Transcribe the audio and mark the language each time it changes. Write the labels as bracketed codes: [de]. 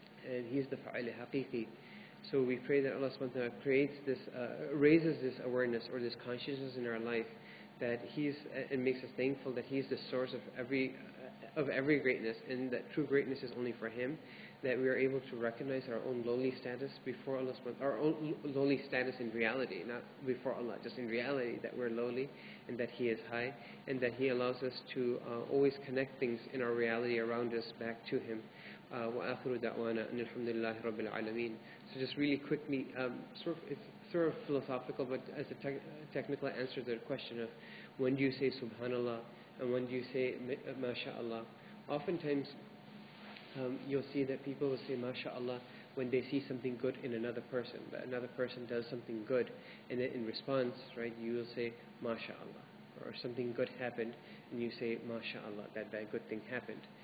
[en] And he's the fa'il haqiqi. So we pray that Allah subhanahu wa ta'ala creates this, raises this awareness or this consciousness in our life, that he's, and makes us thankful that he's the source of every greatness, and that true greatness is only for him, that we are able to recognize our own lowly status before Allah subhanahu wa ta'ala, our own lowly status in reality, not before Allah, just in reality, that we're lowly and that he is high, and that he allows us to always connect things in our reality around us back to him. [ar] وآخر دعوانا أن الحمد لله رب العالمين. [en] So just really quickly, it's sort of philosophical, but as a technical answer to the question of when do you say Subhanallah and when do you say MashaAllah. Oftentimes, you'll see that people will say MashaAllah when they see something good in another person, that another person does something good, and then in response, right, you will say MashaAllah, or something good happened, and you say MashaAllah, that good thing happened.